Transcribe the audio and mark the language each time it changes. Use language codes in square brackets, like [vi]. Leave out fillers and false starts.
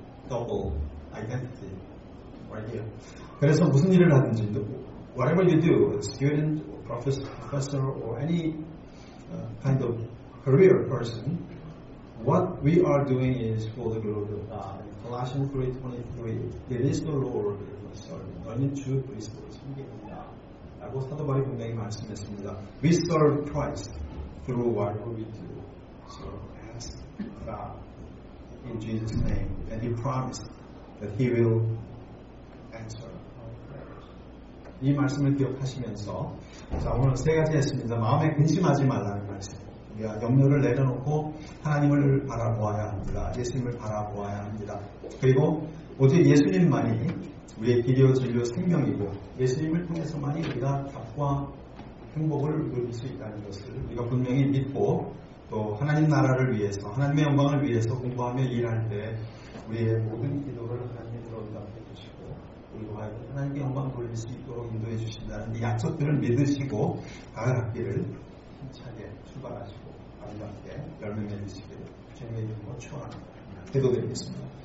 [en] double identity right here. [ko] 그래서 무슨 일을 하든지 [en] whatever you do, student, professor, or any kind of career person, what we are doing is for the glory of God. Colossians 3:23, it is the Lord who is serving. [ko] 너는 주 그리스도를 섬기느냐. 라고 사도 바울이 분명히 말씀했습니다. [en] We serve Christ through what we do. So ask God in Jesus' name, and He promised that He will answer. [ko] 이 말씀을 기억하시면서 자 오늘 세 가지 했습니다. 마음에 근심하지 말라는 말씀. 우리가 염려를 내려놓고 하나님을 바라보아야 합니다. 예수님을 바라보아야 합니다. 그리고 오직 예수님만이 우리의 길이요 진리요 생명이고 예수님을 통해서만이 우리가 답과 행복을 누릴 수 있다는 것을 우리가 분명히 믿고 또 하나님 나라를 위해서 하나님의 영광을 위해서 공부하며 일할 때 우리의 모든 기도를 하나님으로 응답해 주시고 우리와의 하나님께 영광 돌릴 수 있도록 인도해 주신다는 이 약속들을 믿으시고 다가갔기를 힘차게 출발하시고 아름답게 열매 맺으시기를 주님의 이름으로 축원합니다. 기도드리겠습니다.